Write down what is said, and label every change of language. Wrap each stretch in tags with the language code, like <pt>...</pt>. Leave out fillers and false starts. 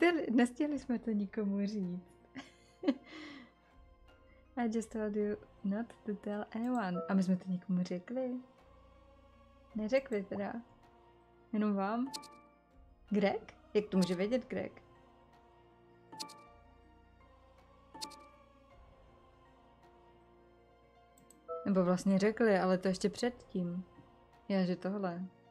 <cs>Nestěli jsme to nikomu říct.</cs> <en>I just told you not to tell anyone.</en> <cs>A my jsme to nikomu řekli. Neřekli teda. Jenom vám. Greg? Jak to může vědět Greg? Nebo vlastně řekli, ale to ještě předtím. Já, že tohle.</cs>